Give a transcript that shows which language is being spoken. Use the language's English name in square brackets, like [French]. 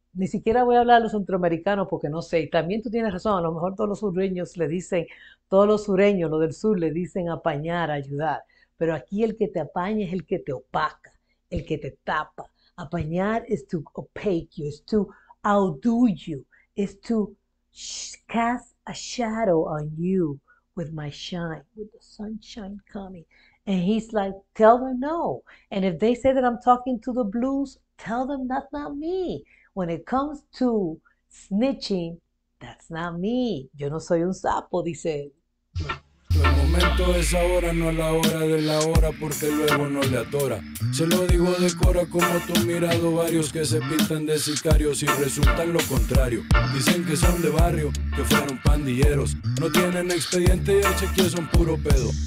[Spanish] Ni siquiera voy a hablar de los centroamericanos porque no sé. Y también tú tienes razón, a lo mejor todos los sureños le dicen, todos los sureños, los del sur, le dicen apañar, ayudar. Pero aquí el que te apaña es el que te opaca, el que te tapa. Apañar es [English] to opaque you, es to outdo you, es to cast a shadow on you with my shine, with the sunshine coming. And he's like, tell them no. And if they say that I'm talking to the blues, tell them that's not me. When it comes to snitching, that's not me. [Spanish] Yo no soy un sapo, dice. El momento es ahora, no la hora de la hora, porque luego no le atora. Se lo digo de cora, como tú mirado varios que se pintan de sicarios y resultan lo contrario. Dicen que son de barrio, que fueron pandilleros. No tienen expediente y el chequeo son puro pedo.